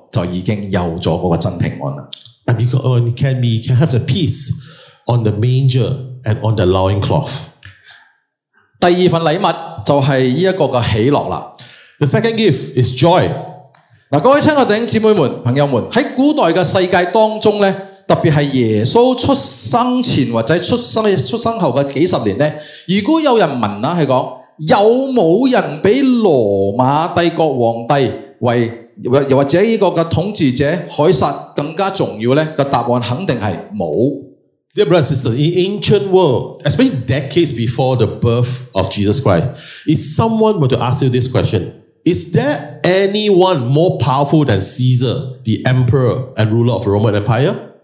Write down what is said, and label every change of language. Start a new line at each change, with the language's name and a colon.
Chinese: 他可以在马槽里，可以在那块布那里，就已经有了那个真平安了。
English: And because can have the peace on the manger and on the loincloth.
Chinese: 第二份礼物就是这个喜乐了。
English: The second gift is joy.
Chinese: 各位亲爱的弟兄姊妹们、朋友们，在古代的世界当中，特别是耶稣出生前或者出生后的几十年，如果有人问，有没有人比罗马帝国皇帝或者统治者凯撒更加重要，答案肯定是没有。
English: Dear brothers and sisters, in ancient world, especially decades before the birth of Jesus Christ, if someone were to ask you this question, is there anyone more powerful than Caesar, the emperor and ruler of the Roman Empire?